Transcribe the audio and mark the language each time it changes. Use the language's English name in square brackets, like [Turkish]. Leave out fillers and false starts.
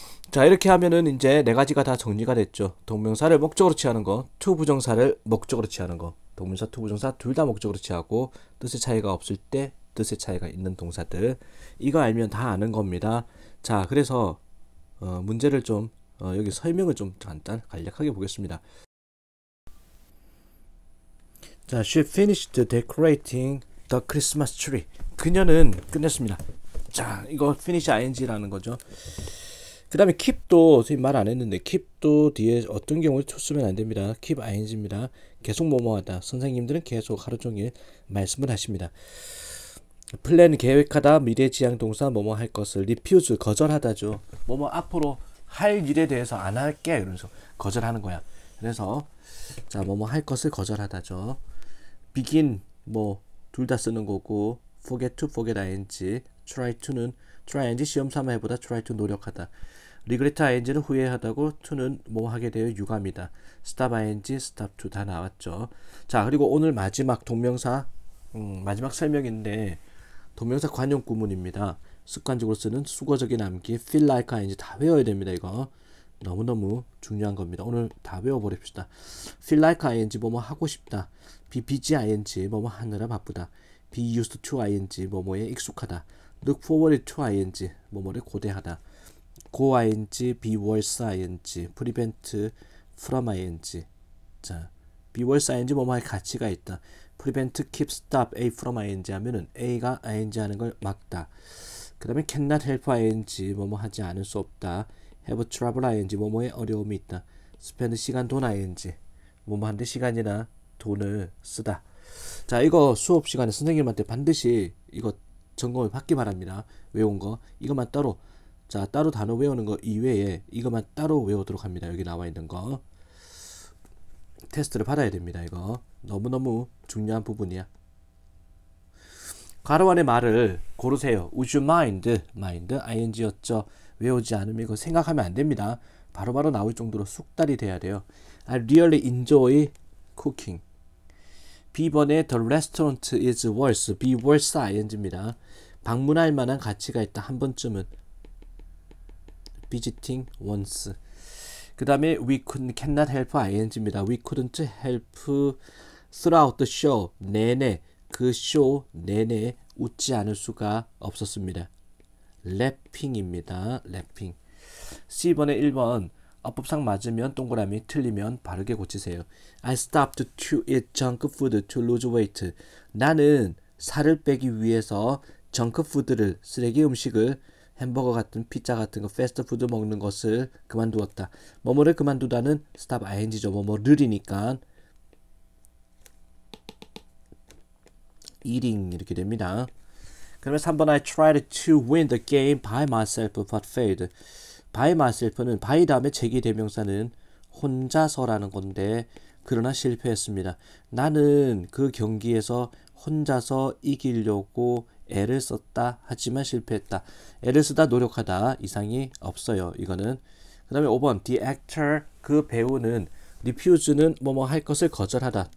[Korean] 자, 이렇게 하면은 이제 네 가지가 다 정리가 됐죠. 동명사를 목적으로 취하는 거, 투 부정사를 목적으로 취하는 거. 동명사, 투 부정사 둘다 목적으로 취하고 뜻의 차이가 없을 때 뜻의 차이가 있는 동사들. 이거 알면 다 아는 겁니다. 자, 그래서 문제를 좀 여기 설명을 좀 간단 간략하게 보겠습니다. [English] 자, she finished decorating the Christmas tree. [Korean] 그녀는 끝냈습니다. 자, 이거 finish ing라는 거죠. 그 다음에 keep도 선생님 말안 했는데 keep도 뒤에 어떤 경우에 to 쓰면 안 됩니다. keep ing입니다. 계속 뭐뭐하다. 선생님들은 계속 하루 종일 말씀을 하십니다. plan 계획하다, 미래지향 동사 뭐뭐 할 것을, refuse 거절하다죠. 뭐뭐 앞으로 할 일에 대해서 안 할게 이러면서 거절하는 거야. 그래서 자 뭐뭐 할 것을 거절하다죠. begin 뭐둘다 쓰는 거고 forget to, forget ing. try to는 try ing 시험 삼아 해보다, try to 노력하다. regret ing는 후회하다고, to는 뭐 하게 되어 유감이다. stop ing, stop to 다 나왔죠. 자, 그리고 오늘 마지막 동명사, 마지막 설명인데 동명사 관용 구문입니다. 습관적으로 쓰는 수거적인 암기, feel like ing 다 외워야 됩니다. 이거 너무너무 중요한 겁니다. 오늘 다 외워버립시다. feel like ing 뭐뭐 하고 싶다. be busy ing 뭐뭐 하느라 바쁘다. be used to ing 뭐뭐에 익숙하다. look forward to ing 뭐뭐를 고대하다. [English] go ing, be worse ing, prevent from ing. [Korean] 자, be worse ing 뭐뭐의 가치가 있다. prevent, keep, stop a from ing 하면은 a가 ing 하는 걸 막다. 그 다음에 cannot help ing, 뭐뭐 하지 않을 수 없다. have trouble ing, 뭐뭐에 어려움이 있다. spend 시간, 돈 ing, 뭐뭐한테 시간이나 돈을 쓰다. 자, 이거 수업 시간에 선생님한테 반드시 이거 점검을 받기 바랍니다. 외운 거 이것만 따로 자, 따로 단어 외우는 거 이외에 이것만 따로 외우도록 합니다. 여기 나와 있는 거. 테스트를 받아야 됩니다, 이거. 너무너무 중요한 부분이야. 가로 안에 말을 고르세요. [English] Would you mind? Mind, ing였죠. [Korean] 외우지 않으면 이거 생각하면 안 됩니다. 바로바로 나올 정도로 숙달이 돼야 돼요. [English] I really enjoy cooking. [Korean] B번에 [English] the restaurant is worth, [Korean] be worth ing입니다. 방문할 만한 가치가 있다. 한 번쯤은. [English] Visiting once. [Korean] 그 다음에 [English] we couldn't, cannot help ing입니다. We couldn't help throughout the show. [Korean] 내내, 그쇼 내내 웃지 않을 수가 없었습니다. Laughing입니다. Laughing. C번에 1번. 어법상 맞으면 동그라미, 틀리면 바르게 고치세요. [English] I stopped to eat junk food to lose weight. [Korean] 나는 살을 빼기 위해서 junk food를, 쓰레기 음식을, 햄버거 같은 피자 같은 거, 패스트푸드 먹는 것을 그만두었다. 뭐뭐를 그만두다는 stop ing죠. 뭐뭐를이니까 eating 이렇게 됩니다. 그러면 3번, [English] I tried to win the game by myself but failed. [Korean] By myself는 by 다음에 제기 대명사는 혼자서라는 건데, 그러나 실패했습니다. 나는 그 경기에서 혼자서 이기려고 애를 썼다, 하지만 실패했다. 애를 쓰다, 노력하다 이상이 없어요, 이거는. 그 다음에 5번, the actor, 그 배우는 refuse는 뭐뭐 할 것을 거절하다.